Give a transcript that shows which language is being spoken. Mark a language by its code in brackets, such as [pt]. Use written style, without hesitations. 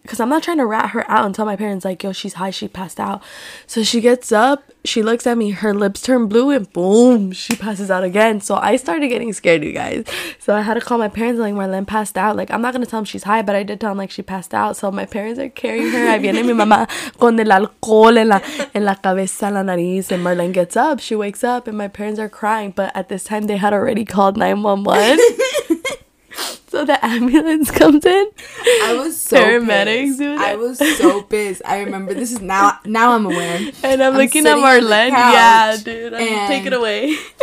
[en] Because I'm not trying to rat her out and tell my parents, like, yo, she's high, she passed out. So she gets up. She looks at me, her lips turn blue, and boom, she passes out again. So I started getting scared, you guys. So I had to call my parents, like, Marlene passed out. Like, I'm not going to tell them she's high, but I did tell them, like, she passed out. So my parents are carrying her. [es] I viene mi mamá con el alcohol en la cabeza, la nariz. [en] And Marlene gets up. She wakes up and my parents are crying. But at this time, they had already called 911. So the ambulance comes in. I was so paramedics pissed. I was so pissed. I remember this is now I'm aware. And I'm looking at Marlene. Yeah, dude. I'm take it away.